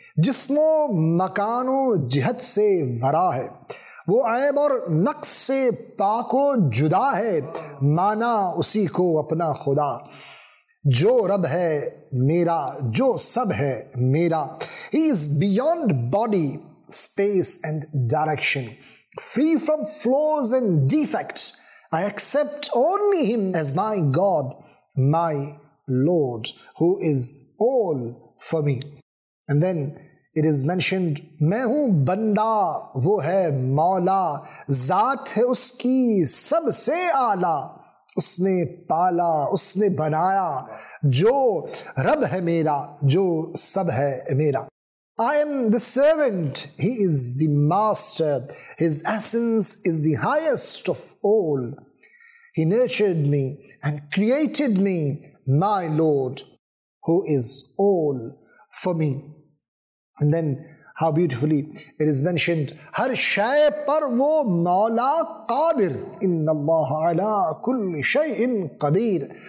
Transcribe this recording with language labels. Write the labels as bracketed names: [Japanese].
[Urdu] جسم و مکان و جہت سے ورا ہے وہ عیب اور نقص سے پاک و جدا ہے مانا اسی کو اپنا خدا جو رب ہے میرا جو سب ہے میرا [English] He is beyond body, space and direction, free from flaws and defects. I accept only him as my God, my Lord, who is all for me. And then It is mentioned, [Urdu] میں ہوں بندہ وہ ہے مولا ذات ہے اس کی سب سے اعلیٰ اس نے پالا اس نے بنایا جو رب ہے میرا جو سب ہے میرا. [English] I am the servant, he is the master, his essence is the highest of all. He nurtured me and created me, my Lord, who is all for me. And then how beautifully it is mentioned, [Urdu] har shay par wo maula qadir, [Arabic] inna allah ala kulli shay'in qadir.